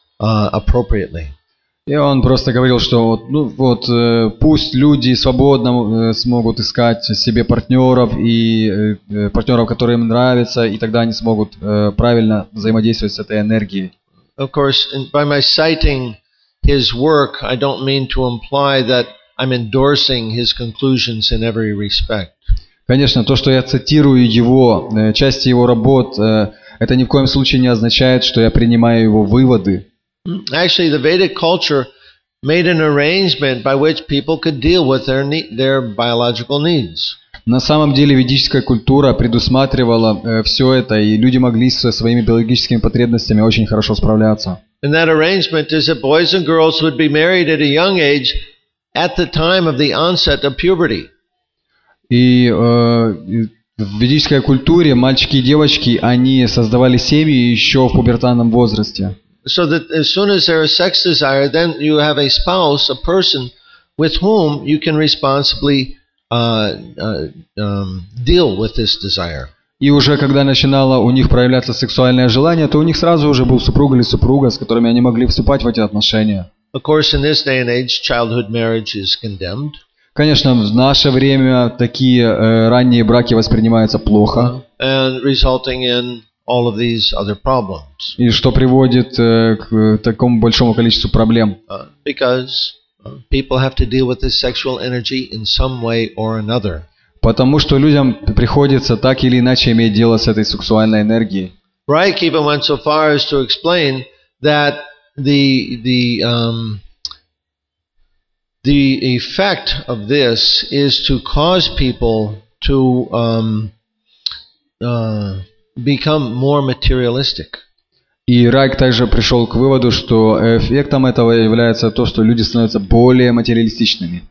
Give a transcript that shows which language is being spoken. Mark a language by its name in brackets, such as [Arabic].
[English] appropriately. [Russian] И он просто говорил, что ну, вот пусть люди свободно смогут искать себе партнеров и партнеров, которые им нравятся, и тогда они смогут правильно взаимодействовать с этой энергией. [English] Of course, by my citing his work, I don't mean to imply that I'm endorsing his conclusions in every respect. [Russian] Конечно, то, что я цитирую его, части его работ, это ни в коем случае не означает, что я принимаю его выводы. [English] Actually, the Vedic culture made an arrangement by which people could deal with their biological needs. [Russian] На самом деле, ведическая культура предусматривала все это, и люди могли со своими биологическими потребностями очень хорошо справляться. [English] And that arrangement is that boys and girls would be married at a young age at the time of the onset of puberty. [Russian] И в ведической культуре мальчики и девочки, они создавали семьи еще в пубертатном возрасте. [English] So that as soon as there is sex desire, then you have a spouse, a person with whom you can responsibly deal with this desire. [Russian] И уже когда начинало у них проявляться сексуальное желание, то у них сразу уже был супруг или супруга, с которыми они могли вступать в эти отношения. [English] Of course, in this day and age, childhood marriage is condemned. [Russian] Конечно, в наше время такие ранние браки воспринимаются плохо. [English] And resulting in all of these other problems. [Russian] И что приводит к такому большому количеству проблем. [English] Because people have to deal with this sexual energy in some way or another. [Russian] Потому что людям приходится так или иначе иметь дело с этой сексуальной энергией. [English] Райк even went so far as to explain that the effect of this is to cause people to become more materialistic. [Russian] И Райк также пришел к выводу, что эффектом этого является то, что люди становятся более материалистичными.